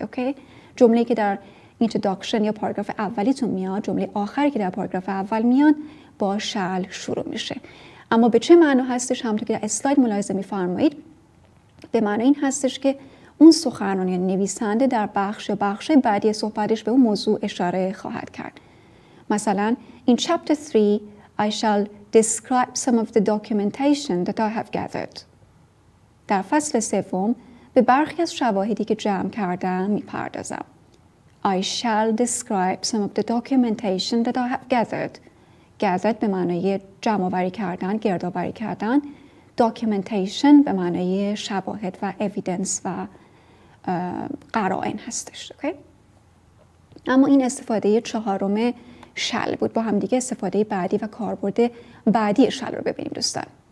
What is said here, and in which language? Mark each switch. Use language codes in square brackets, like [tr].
[fa] اوکی؟ جمله‌ای که در اینتروداکشن یا پاراگراف اولیتون میاد، جمله آخری که در پاراگراف اول میاد با شل شروع میشه. اما به چه معنا هستش؟ همونطور که در اسلاید ملاحظه میفرمایید به معنای این هستش که اون سخنران یا نویسنده در بخش بعدی صحبتش به اون موضوع اشاره خواهد کرد. [en] مثلا In chapter 3 I shall describe some of the documentation that I have gathered. [fa] در فصل سوم به برخی از شواهدی که جمع کردم میپردازم. [en] I shall describe some of the documentation that I have gathered. [fa] Gathered به معنای جمع آوری کردن، گرد آوری کردن. Documentation به معنای شواهد و evidence و قرائن هستش. Okay؟ اما این استفاده چهارم shall بود. با هم دیگه استفاده بعدی و کاربرد بعدی shall رو ببینیم دوستان.